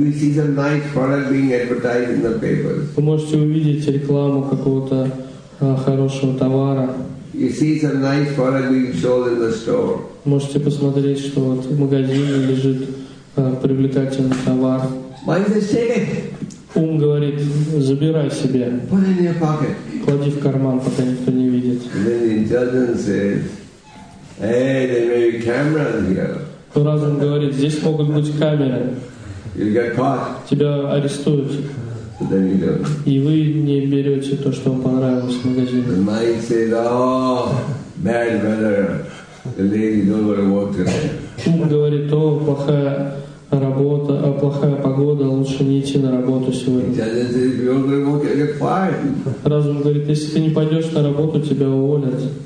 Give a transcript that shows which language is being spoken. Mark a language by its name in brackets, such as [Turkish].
[English] You see some nice product being advertised in the papers. [Russian] Вы можете увидеть рекламу какого-то хорошего товара. [English] You see some nice product being sold in the store. [Russian] Можете посмотреть, что вот в магазине лежит привлекательный товар. [English] Mind says, take it. [Russian] Ум говорит, забирай себе. [English] Put it in your pocket. [Russian] Клади в карман, пока никто не видит. [English] Hey, there may be cameras here. [Russian] То разум говорит, здесь могут быть камеры. [English] You get caught. [Russian] Тебя арестуют. [English] So then you don't. [Russian] И вы не берете то, что вам понравилось в магазине. [English] The mind says, oh, bad weather. The lady don't want to walk today. [Russian] Ум говорит, о, плохая работа, о, плохая погода, лучше не идти на работу сегодня. [English] Intelligence says, if you don't want to walk, you'll get fired. [Russian] Разум говорит, если ты не пойдешь на работу, тебя уволят.